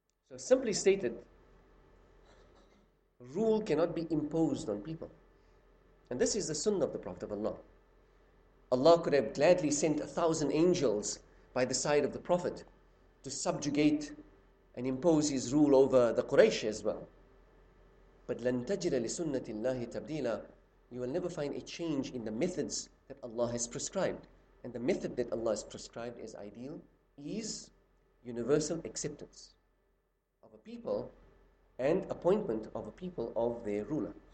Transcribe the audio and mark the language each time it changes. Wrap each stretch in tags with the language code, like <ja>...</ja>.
<en>So simply stated, rule cannot be imposed on people. And this is the Sunnah of the Prophet of Allah. Allah could have gladly sent 1,000 angels by the side of the Prophet to subjugate and impose his rule over the Quraysh as well. But</en> <ar>لَن تَجِرَ لِسُنَّةِ اللَّهِ تَبْدِيلًا.</ar> <en>You will never find a change in the methods that Allah has prescribed. And the method that Allah has prescribed as ideal is universal acceptance of a people and appointment of a people of their ruler.</en>